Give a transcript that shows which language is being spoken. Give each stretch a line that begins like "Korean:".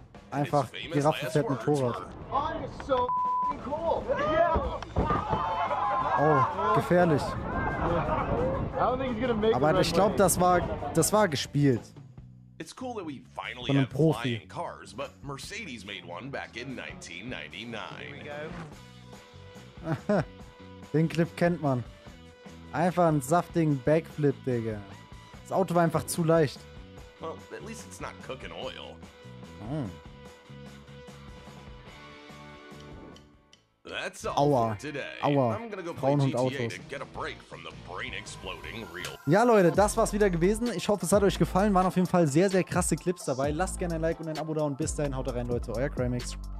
German: Einfach Giraffe fährt Motorrad. Oh, gefährlich. Aber ich glaube, das war gespielt.
English: It's cool that we finally have flying cars, but Mercedes made one back in 1999.
German: Den Clip kennt man. Einfach einen saftigen Backflip, Digga. Das Auto war einfach zu leicht.
English: Well, at least it's not cooking oil. Hm. That's all
German: Aua.
English: For today.
German: Aua.
English: I'm gonna go play GTA to get a break from the brain exploding real.
German: Ja, Leute, das war's wieder gewesen. Ich hoffe, es hat euch gefallen. Waren auf jeden Fall sehr, sehr krasse Clips dabei. Lasst gerne ein Like und ein Abo da und bis dahin haut rein, Leute. Euer Cramix.